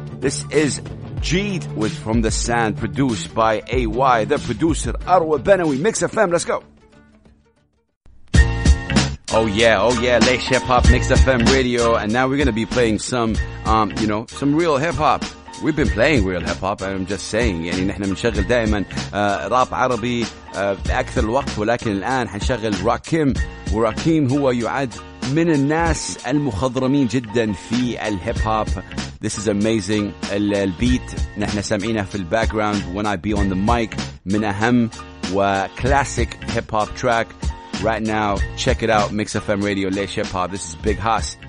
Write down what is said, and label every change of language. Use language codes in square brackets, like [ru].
[en] This is Jeed with From the Sand, produced by AY, the producer, Arwa Benawi. Mix FM, let's go. Oh yeah, Laish Hip Hop, Mix FM Radio, and now we're going to be playing some, you know, some real hip hop. We've been playing real hip hop, and I'm just saying, [ar] يعني نحن منشغل دائما راب عربي أكثر الوقت، ولكن الآن حنشغل راكيم، وراكيم هو يعد من الناس المخضرمين جدا في الهيب هوب. [en] This is amazing. [ar] البيت نحن سامعينه في الباكراوند [en] when I be on the mic، [ar] من أهم وكلاسيك هيب هوب تراك. [en] Right now, check it out. Mix FM Radio, Laish Hip Hop. This is Big Hoss.